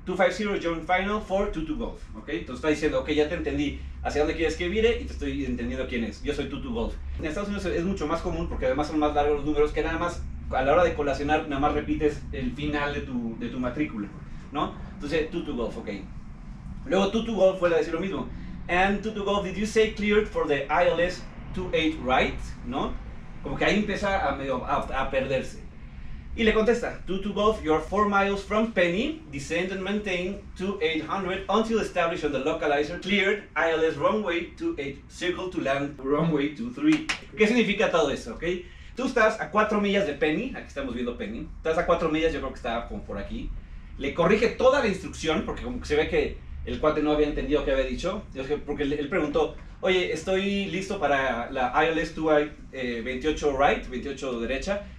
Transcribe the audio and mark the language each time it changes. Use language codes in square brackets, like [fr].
[es] 250 Joint Final 422 Gold. Ok, entonces está diciendo, ok, ya te entendí hacia dónde quieres que vire y te estoy entendiendo quién es. Yo soy 22 Gold. En Estados Unidos es mucho más común porque además son más largos los números, que nada más a la hora de colacionar, nada más repites el final de tu matrícula, ¿no? Entonces, 22 Gold, ok. Luego, 22 Gold vuelve a decir lo mismo. [en] And 22 Gold, did you say cleared for the ILS 28 right? [es] ¿No? Como que ahí empieza a medio a perderse. Y le contesta, [en] 22 Golf, you are 4 miles from Penny, descend and maintain 2800 until established on the localizer, cleared ILS runway 28, circle to land runway 23. [es] ¿Qué significa todo eso? Okay? Tú estás a 4 millas de Penny, aquí estamos viendo Penny, estás a 4 millas, yo creo que está como por aquí. Le corrige toda la instrucción, porque como que se ve que el cuate no había entendido qué había dicho, porque él preguntó, oye, estoy listo para la ILS 28 right, 28 derecha.